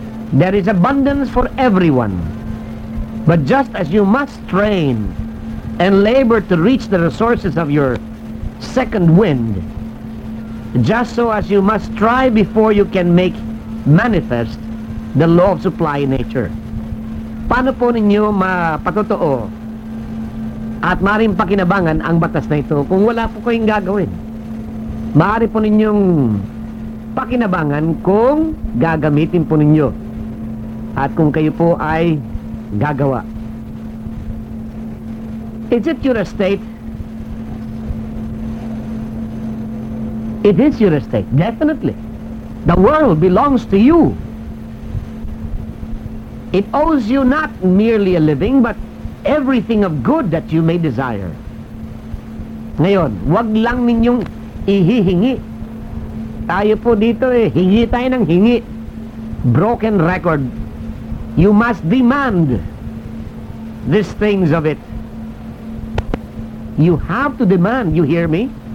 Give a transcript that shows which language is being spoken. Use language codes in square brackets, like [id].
[en] There is abundance for everyone. But just as you must train and labor to reach the resources of your second wind, just so as you must try before you can make manifest the law of supply in nature. [tl] Paano po ninyo mapatotoo at maaaring pakinabangan ang batas na ito kung wala po kayong gagawin? Maaari po ninyong pakinabangan kung gagamitin po ninyo at kung kayo po ay gagawa. [en] Is it your estate? It is your estate, definitely. The world belongs to you. It owes you not merely a living, but everything of good that you may desire. [tl] Ngayon, wag lang ninyong ihihingi. Tayo po dito eh, hingi tayo ng hingi. [en] Broken record. You must demand these things of it. You have to demand, you hear me?